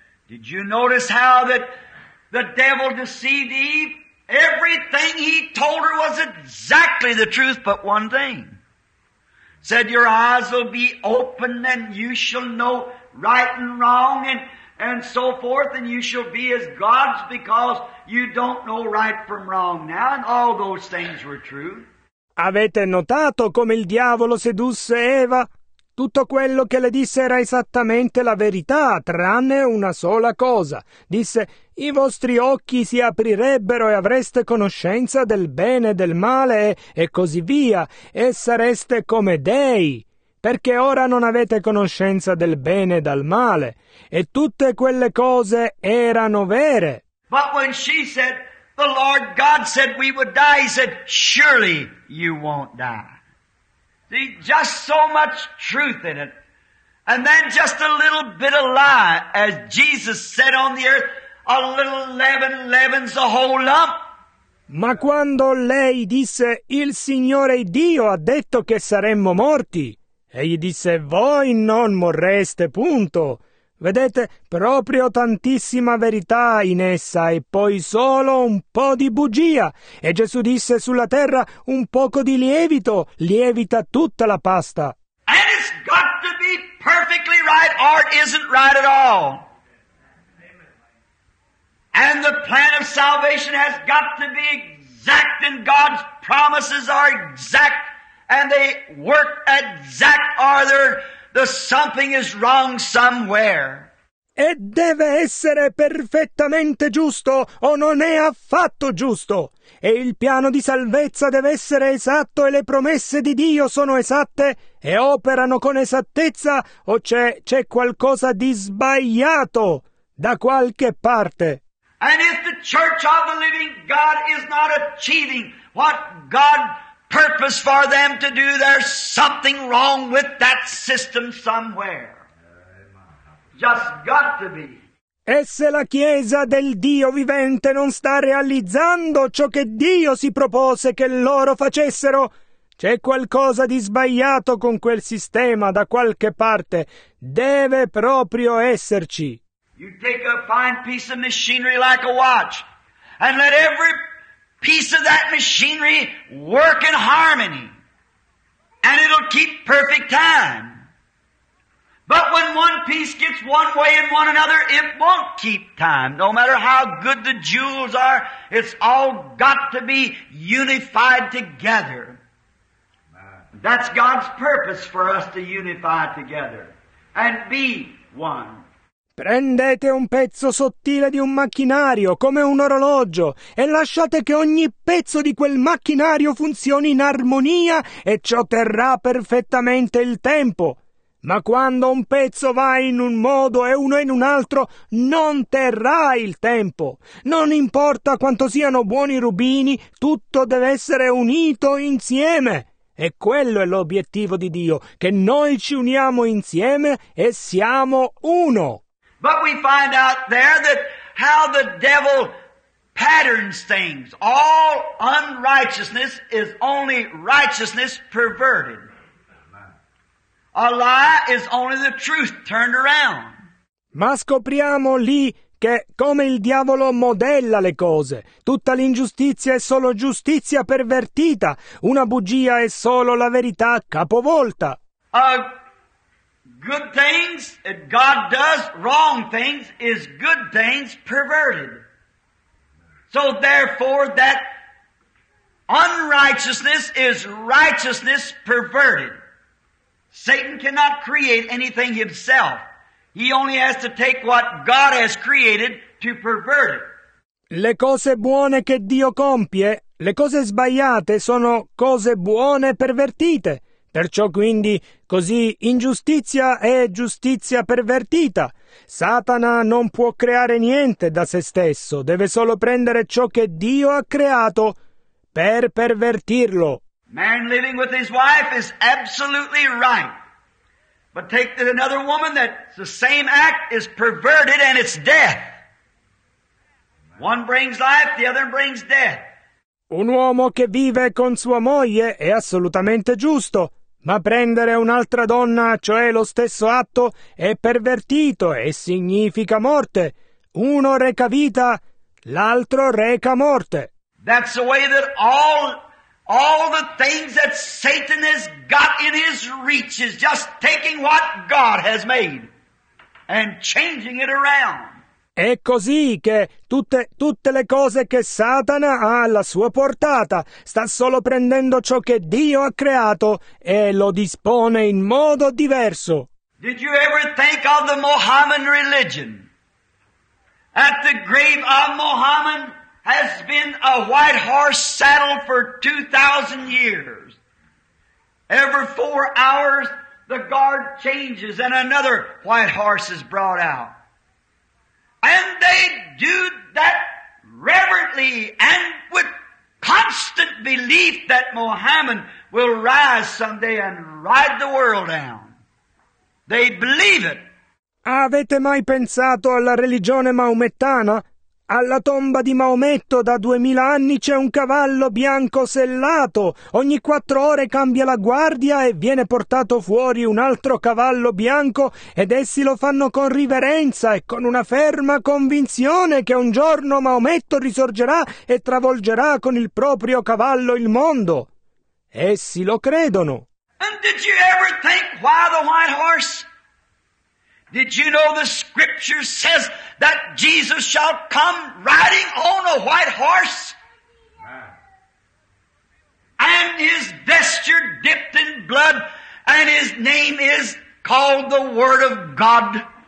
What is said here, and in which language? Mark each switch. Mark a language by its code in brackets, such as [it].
[en] Did you notice how that the devil deceived Eve? Everything he told her was exactly the truth, but one thing. Said, your eyes will be open and you shall know right and wrong and so forth, and you shall be as gods because you don't know right from wrong now. And all those things were true. [it] Avete notato come il diavolo sedusse Eva? Tutto quello che le disse era esattamente la verità, tranne una sola cosa. Disse, i vostri occhi si aprirebbero e avreste conoscenza del bene e del male e così via, e sareste come dei. Perché ora non avete conoscenza del bene e dal male. E tutte quelle cose erano vere. [en] But when she said, the Lord God said we would die, he said, surely you won't die. See, just so much truth in it. And then just a little bit of lie, as Jesus said on the earth, a little leaven leavens the whole lump. [it] Ma quando lei disse, il Signore Dio ha detto che saremmo morti, egli disse, voi non morreste, punto. Vedete, proprio tantissima verità in essa e poi solo un po' di bugia. E Gesù disse sulla terra, un poco di lievito lievita tutta la pasta. [en] And it's got to be perfectly right or it isn't right at all. And the plan of salvation has got to be exact and God's promises are exact. And they work exact, or the something is wrong somewhere. [it] E deve essere perfettamente giusto, o non è affatto giusto. E il piano di salvezza deve essere esatto, e le promesse di Dio sono esatte, e operano con esattezza, o c'è qualcosa di sbagliato da qualche parte. [en] And if the church of the living God is not achieving what God purpose for them to do, there's something wrong with that system somewhere. Just got to be. [it] E se la Chiesa del Dio vivente non sta realizzando ciò che Dio si propose che loro facessero, c'è qualcosa di sbagliato con quel sistema da qualche parte. Deve proprio esserci. [en] You take a fine piece of machinery like a watch, and let every piece of that machinery work in harmony, and it'll keep perfect time. But when one piece gets one way and one another, it won't keep time. No matter how good the jewels are, it's all got to be unified together. That's God's purpose for us to unify together and be one. [it] Prendete un pezzo sottile di un macchinario, come un orologio, e lasciate che ogni pezzo di quel macchinario funzioni in armonia e ciò terrà perfettamente il tempo. Ma quando un pezzo va in un modo e uno in un altro, non terrà il tempo. Non importa quanto siano buoni i rubini, tutto deve essere unito insieme. E quello è l'obiettivo di Dio, che noi ci uniamo insieme e siamo uno. [en] But we find out there that how the devil patterns things. All unrighteousness is only righteousness perverted. A lie is only the truth turned around. [it] Ma scopriamo lì che come il diavolo modella le cose. Tutta l'ingiustizia è solo giustizia pervertita. Una bugia è solo la verità capovolta. [en] Good things that God does, wrong things is good things perverted. So therefore that unrighteousness is righteousness perverted. Satan cannot create anything himself. He only has to take what God has created to pervert it. [it] Le cose buone che Dio compie, le cose sbagliate sono cose buone pervertite. Perciò quindi, così ingiustizia è giustizia pervertita. Satana non può creare niente da se stesso, deve solo prendere ciò che Dio ha creato per pervertirlo. [en] Man living with his wife is absolutely right. But take another woman that the same act is perverted and it's death. One brings life, the other brings death. [it] Un uomo che vive con sua moglie è assolutamente giusto. Ma prendere un'altra donna, cioè lo stesso atto, è pervertito e significa morte. Uno reca vita, l'altro reca morte. [en] That's the way that all the things that Satan has got in his reach is just taking what God has made and changing it around. [it] È così che tutte le cose che Satana ha alla sua portata sta solo prendendo ciò che Dio ha creato e lo dispone in modo diverso. [en] Did you ever think of the Mohammedan religion? At the grave of Mohammed has been a white horse saddle for 2,000 years. Every 4 hours the guard changes and another white horse is brought out. And they do that reverently and with constant belief that Mohammed will rise someday and ride the world down. They believe it. [it] Avete mai pensato alla religione maomettana? Alla tomba di Maometto da 2000 anni c'è un cavallo bianco sellato. Ogni 4 ore cambia la guardia e viene portato fuori un altro cavallo bianco ed essi lo fanno con riverenza e con una ferma convinzione che un giorno Maometto risorgerà e travolgerà con il proprio cavallo il mondo. Essi lo credono. [en] And did you ever think why the white horse? Did you know the scripture says that Jesus shall come riding on a white horse? And his vesture dipped in blood, and his name is called the Word of God.